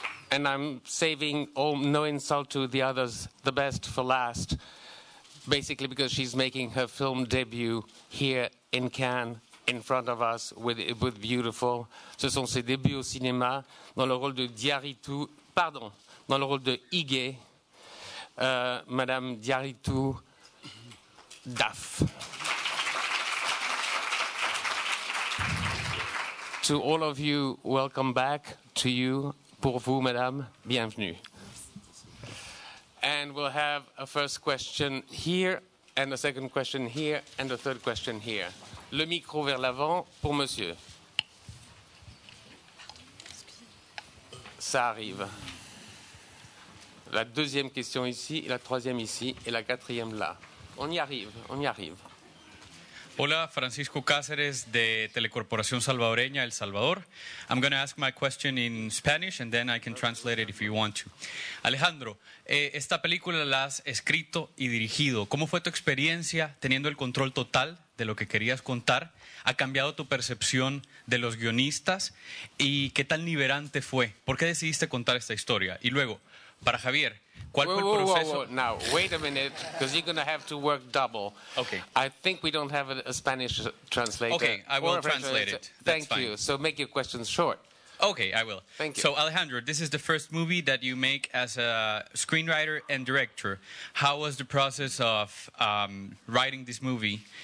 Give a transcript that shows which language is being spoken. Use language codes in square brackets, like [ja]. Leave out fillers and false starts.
[en] And I'm saving all, no insult to the others, the best for last, basically because she's making her film debut here in Cannes, in front of us with Beautiful. [fr] Ce sont ses débuts au cinéma dans le rôle de Diaritu, pardon, dans le rôle de Igué, Madame Diaritu Daf. [en] To all of you, welcome back. To you, [fr] pour vous, Madame, bienvenue. [en] And we'll have a first question here, and a second question here, and a third question here. [fr] Le micro vers l'avant pour monsieur. Ça arrive. La deuxième question ici, la troisième ici et la quatrième là. On y arrive, on y arrive. [es] Hola, Francisco Cáceres de Telecorporación Salvadoreña, El Salvador. [en] I'm going to ask my question in Spanish and then I can translate it if you want to. [es] Alejandro, esta película la has escrito y dirigido. ¿Cómo fue tu experiencia teniendo el control total de lo que querías contar? ¿Ha cambiado tu percepción de los guionistas? ¿Y qué tan liberante fue? ¿Por qué decidiste contar esta historia? Y luego, para Javier, ¿cuál fue el proceso? [en] Whoa. Now, wait a minute, because you're going to have to work double. Okay. I think we don't have a Spanish translator. Okay, I will translate it. Thank you. So make your questions short. Okay, I will. Thank you. So Alejandro, this is the first movie that you make as a screenwriter and director. How was the process of writing this movie?